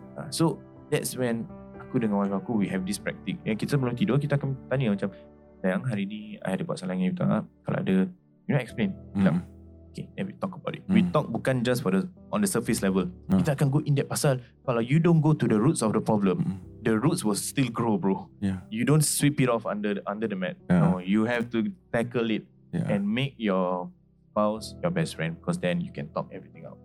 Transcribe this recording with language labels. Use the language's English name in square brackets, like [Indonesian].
[English] So, that's when aku dengan wife aku, we have this practice. [Malay] Yang kita belum tidur, kita akan tanya macam, sayang, hari ni I ada buat salah dengan you tak? Kalau ada, [English] you know, explain. Okay, then we talk about it. We talk [Malay] bukan [English] just for the on the surface level. [Malay] Kita akan [English] go in depth pasal, kalau you don't go to the roots of the problem, the roots will still grow, bro. You don't sweep it off under the mat. No, you have to tackle it. And make your spouse your best friend, because then you can talk everything out.